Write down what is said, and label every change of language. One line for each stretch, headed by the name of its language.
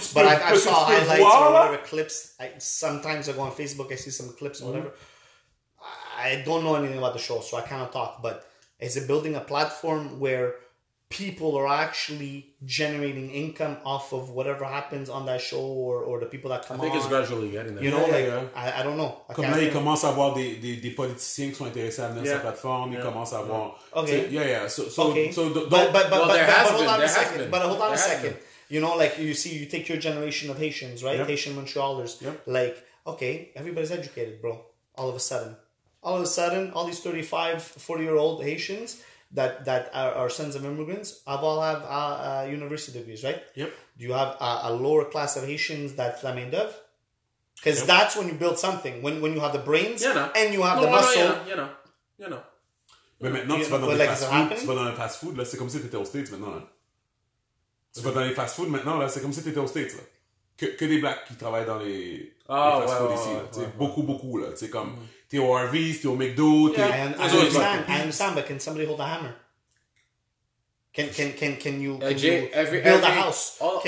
English: But I saw highlights or whatever clips. Sometimes I go on Facebook, I see some clips or whatever. I don't know anything about the show, so I cannot talk. But is it building a platform where people are actually generating income off of whatever happens on that show or the people that come on? I think on, it's gradually getting there. You know, I don't know.
French: Comme là, ils commencent à voir des politiciens qui sont intéressés à venir sur la plateforme. Ils commencent à voir...
English: Okay. But hold on a second. You know, like, you see, you take your generation of Haitians, right? Yep. Haitian Montrealers. Yep. Like, okay, everybody's educated, bro. All of a sudden. all of a sudden, all these 35, 40-year-old Haitians that are sons of immigrants all have university degrees, right? Yep. Do you have a lower class of Haitians that Lamine Dove? Because yep. That's when you build something. When you have the brains and you have the muscle.
French: Mais maintenant, tu vas dans les fast-food, là, c'est comme si tu étais aux States maintenant. Là. Tu vas dans les fast-food maintenant, là, c'est comme si tu étais aux States. Là. Que des blacks qui travaillent dans les fast-food ici. Beaucoup, là. Tu sais, comme, t'es au Harvey's, t'es au McDo, t'es...
English: Yeah, I understand, but can somebody hold a hammer? Can you build a house?